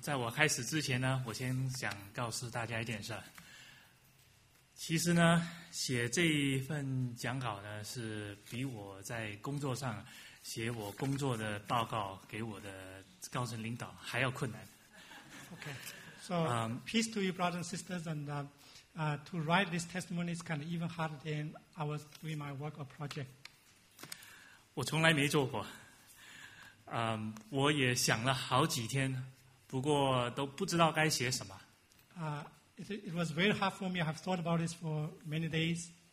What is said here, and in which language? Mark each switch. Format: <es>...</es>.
<zh>在我开始之前呢，我先想告诉大家一件事。其实呢，写这一份讲稿呢，是比我在工作上写我工作的报告给我的高层领导还要困难。</zh> <en>Okay, so peace to you, brothers and sisters, and to write this testimony is kind of even harder than I was doing my work or project.</en> <zh>我从来没做过，我也想了好几天，不过都不知道该写什么。</zh> <en>It was very hard for me. I have thought about this for many days.</en>